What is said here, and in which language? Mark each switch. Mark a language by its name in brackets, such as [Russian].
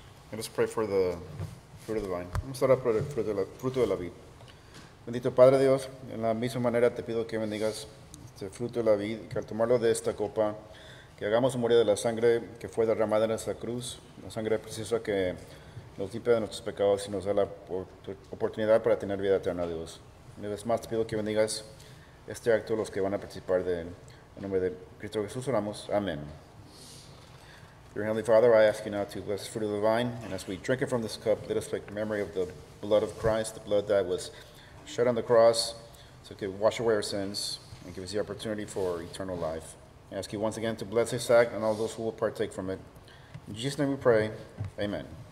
[English] And let's pray for the fruit of the vine. [Spanish] Vamos a orar por el fruto de la vid. Bendito Padre Dios, en la misma manera te pido que bendigas este fruto de la vid, que al tomarlo de esta copa, que hagamos memoria de la sangre que fue derramada en esta cruz, la sangre preciosa que nos limpia de nuestros pecados y nos da la oportunidad para tener vida eterna, Dios. Una vez más te pido que bendigas este acto, los que van a participar de él. En nombre de Cristo Jesús oramos. Amén. [English] Your Heavenly Father, I ask you now to bless the fruit of the vine, and as we drink it from this cup, let us make memory of the blood of Christ, the blood that was shed on the cross, so it could wash away our sins and give us the opportunity for eternal life. I ask you once again to bless this act and all those who will partake from it. In Jesus' name we pray, amen.